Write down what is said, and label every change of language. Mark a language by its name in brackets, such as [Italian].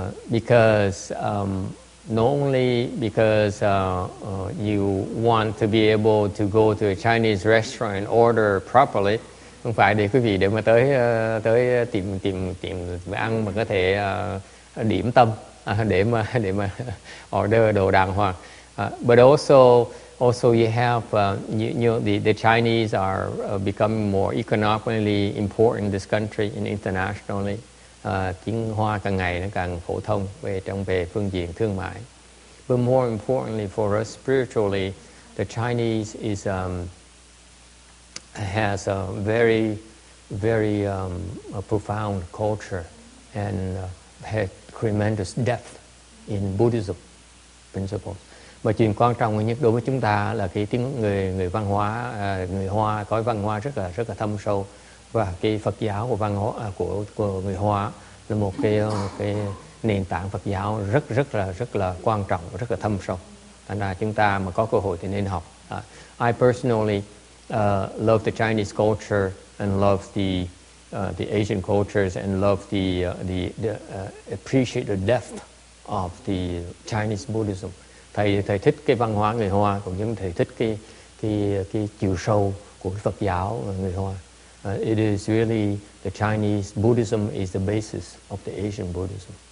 [English] Because not only because you want to be able to go to a Chinese restaurant and order properly, [Vietnamese] không phải để quý vị để mà tới tìm ăn mà có thể điểm tâm để mà order đồ đàng hoàng. [English] But also you have the Chinese are becoming more economically important in this country and internationally. [Vietnamese] Tiếng Hoa càng ngày nó càng phổ thông về phương diện thương mại. [English] But more importantly for us spiritually, the Chinese is has a very, very a profound culture and has tremendous depth in Buddhism principles. [Vietnamese] Mà chuyện quan trọng nhất đối với chúng ta là cái tiếng người văn hóa người Hoa có văn hóa rất là thâm sâu, và cái Phật giáo của văn hóa của người Hoa là một cái nền tảng Phật giáo rất là quan trọng, rất là thâm sâu. Thành ra chúng ta mà có cơ hội thì nên học. [English] I personally love the Chinese culture and love the Asian cultures and love the appreciate the depth of the Chinese Buddhism. [Vietnamese] Thầy thích cái văn hóa người Hoa, cũng như thầy thích cái chiều sâu của Phật giáo người Hoa. [English] It is really the Chinese Buddhism is the basis of the Asian Buddhism.